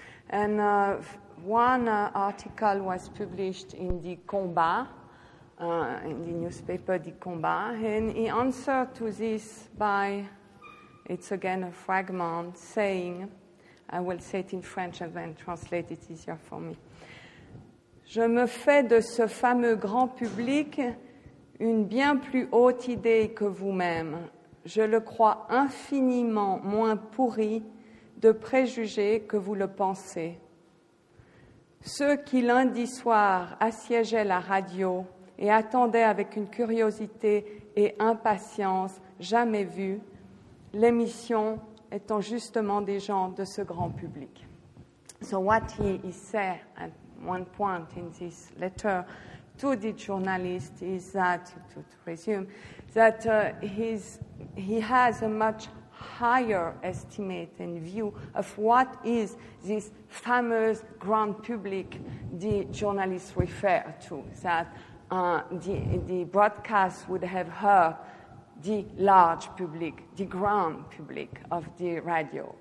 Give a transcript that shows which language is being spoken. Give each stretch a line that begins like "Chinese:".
English: And one article was published in the Combat, in the newspaper Die Combat, and he answered to this by, it's again a fragment, saying, I will say it in French and then translate it easier for me.
French: Je me fais de ce fameux grand public une bien plus haute idée que vous-même. Je le crois infiniment moins pourri de préjugés que vous le pensez. Ceux qui lundi soir assiégeaient la radio et attendaient avec une curiosité et impatience jamais vues, l'émission étant justement des gens de ce grand public.
English: So what he said at one point in this letter to the journalist is that, to resume, that he has a much higher estimate and view of what is this famous grand public the journalist refer to, that the broadcast would have heard the large public, the grand public of the radio.